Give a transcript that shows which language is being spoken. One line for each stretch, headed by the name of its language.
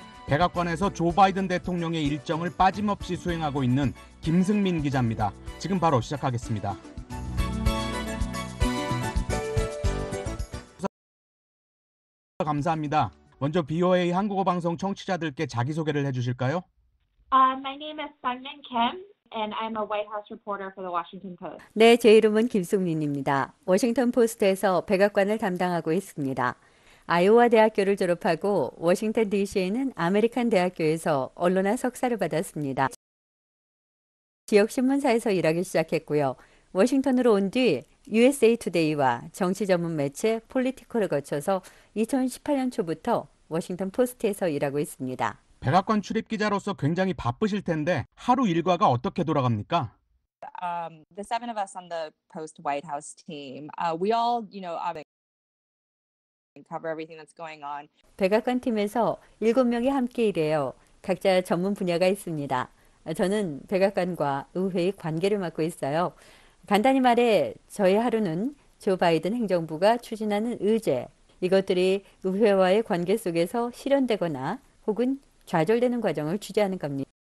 Korean: 백악관에서 조 바이든 대통령의 일정을 빠짐없이 수행하고 있는 김승민 기자입니다. 지금 바로 시작하겠습니다. 감사합니다. 먼저 VOA 한국어 방송 청취자들께 자기소개를 해주실까요?
English: My name is Sungmin Kim. And I'm a White House reporter for the Washington Post.
Korean: 네, 제 이름은 김승민입니다. 워싱턴 포스트에서 백악관을 담당하고 있습니다. 아이오와 대학교를 졸업하고 워싱턴 DC에 있는 아메리칸 대학교에서 언론학 석사를 받았습니다. 지역 신문사에서 일하기 시작했고요. 워싱턴으로 온 뒤 USA Today와 정치 전문 매체 폴리티컬을 거쳐서 2018년 초부터 워싱턴 포스트에서 일하고 있습니다. 백악관 출입 기자로서 굉장히 바쁘실 텐데 하루 일과가 어떻게 돌아갑니까?
English: The seven of us on the Post White House team, we all, you know, cover everything that's going on.
Korean: 백악관 팀에서 7명이 함께 일해요. 각자 전문 분야가 있습니다. 저는 백악관과 의회의 관계를 맡고 있어요. 간단히 말해 저의 하루는 조 바이든 행정부가 추진하는 의제, 이것들이 의회와의 관계 속에서 실현되거나 혹은 좌절되는 과정을 취재하는 겁니다.